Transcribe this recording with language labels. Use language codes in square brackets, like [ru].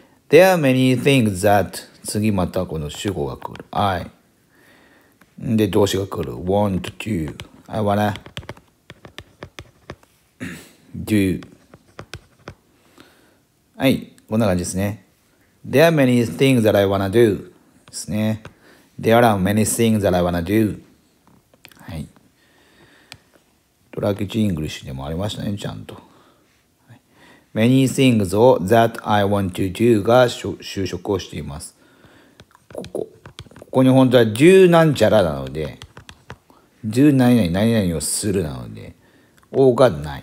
[en] There are many things that [ja] 次またこの主語が来る。I。 で、動詞が来る。 [en] want to。 I wanna do。 [ja] はい、こんな感じですね。 [en] There are many things that I wanna do ですね。 There are many things that I wanna do. [ja] はい。ドラキチイングリッシュでもありましたね、ちゃんと。はい、many things を [en] that I want to do [ja] が就職をしています。ここに本当は do なんちゃらなので、do 何々をするなので、O がない。